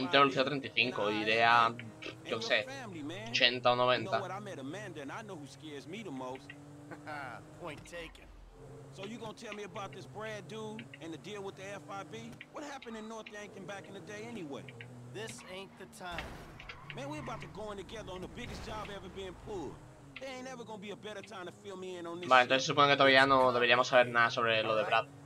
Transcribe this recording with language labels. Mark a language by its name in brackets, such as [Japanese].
[Spanish] Limitado al 35, iré a, yo qué sé, 80 o 90. [English] You know what, I met Amanda, and I know who scares me the most. Point taken. So you gonna tell me about this Brad dude and the deal with the FIB? What happened in North Yankton back in the day anyway? This ain't the time. Man, we're about to go in together on the biggest job ever being pulled. There ain't ever gonna be a better time to fill me in on this. [Spanish] Vale, entonces supongo que todavía no deberíamos saber nada sobre lo de Brad.